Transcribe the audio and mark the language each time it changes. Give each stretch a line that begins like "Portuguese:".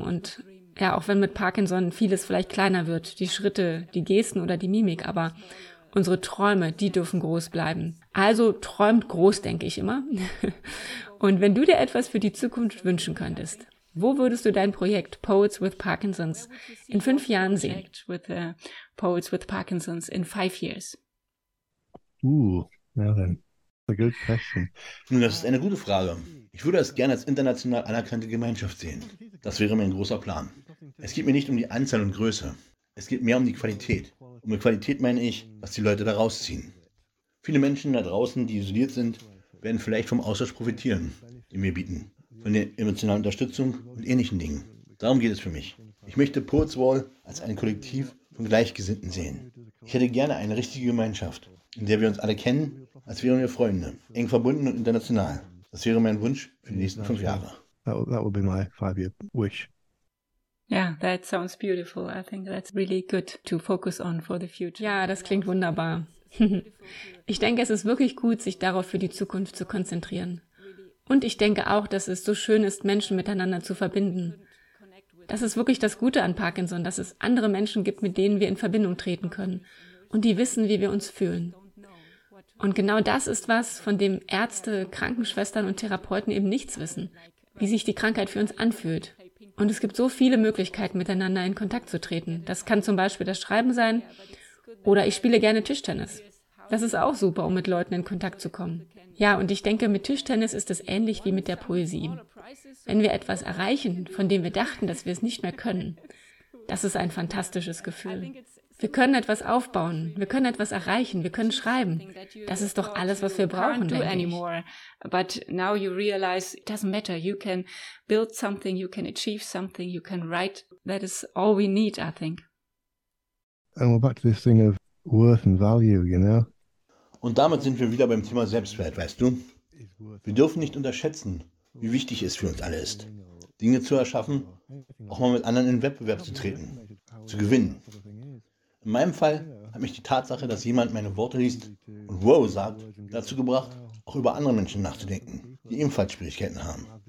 German: Und ja, auch wenn mit Parkinson vieles vielleicht kleiner wird, die Schritte, die Gesten oder die Mimik, aber unsere Träume, die dürfen groß bleiben. Also träumt groß, denke ich immer. Und wenn du dir etwas für die Zukunft wünschen könntest, wo würdest du dein Projekt Poets with Parkinson's in 5 Jahren sehen?
English: Poets with Parkinson's in 5 years.
German: Ja, dann.
English: A good question.
German: Nun, das ist eine gute Frage. Ich würde es gerne als international anerkannte Gemeinschaft sehen. Das wäre mein großer Plan. Es geht mir nicht um die Anzahl und Größe. Es geht mehr um die Qualität. Und mit Qualität meine ich, was die Leute daraus ziehen. Viele Menschen da draußen, die isoliert sind, werden vielleicht vom Austausch profitieren, den wir bieten. Von der emotionalen Unterstützung und ähnlichen Dingen. Darum geht es für mich. Ich möchte Poets Wall als ein Kollektiv von Gleichgesinnten sehen. Ich hätte gerne eine richtige Gemeinschaft, in der wir uns alle kennen, als wären wir Freunde, eng verbunden und international. Das wäre mein Wunsch für die nächsten 5 Jahre.
English: That would be my 5-year wish. Yeah, that sounds beautiful. I think that's really good to focus on for the future.
German: Ja, das klingt wunderbar. Ich denke, es ist wirklich gut, sich darauf für die Zukunft zu konzentrieren. Und ich denke auch, dass es so schön ist, Menschen miteinander zu verbinden. Das ist wirklich das Gute an Parkinson, dass es andere Menschen gibt, mit denen wir in Verbindung treten können und die wissen, wie wir uns fühlen. Und genau das ist was, von dem Ärzte, Krankenschwestern und Therapeuten eben nichts wissen, wie sich die Krankheit für uns anfühlt. Und es gibt so viele Möglichkeiten, miteinander in Kontakt zu treten. Das kann zum Beispiel das Schreiben sein oder ich spiele gerne Tischtennis. Das ist auch super, um mit Leuten in Kontakt zu kommen. Ja, und ich denke, mit Tischtennis ist es ähnlich wie mit der Poesie. Wenn wir etwas erreichen, von dem wir dachten, dass wir es nicht mehr können, das ist ein fantastisches Gefühl. Wir können etwas aufbauen, wir können etwas erreichen, wir können schreiben. Das ist doch alles, was wir brauchen, denke ich.
English: But now you realize it doesn't matter. You can build something, you can achieve something, you can write. That is all we need, I think. And we're back to this thing of worth and value, you know?
German: Und damit sind wir wieder beim Thema Selbstwert, weißt du? Wir dürfen nicht unterschätzen, wie wichtig es für uns alle ist, Dinge zu erschaffen, auch mal mit anderen in Wettbewerb zu treten, zu gewinnen. In meinem Fall hat mich die Tatsache, dass jemand meine Worte liest und wow sagt, dazu gebracht, auch über andere Menschen nachzudenken, die ebenfalls Schwierigkeiten haben.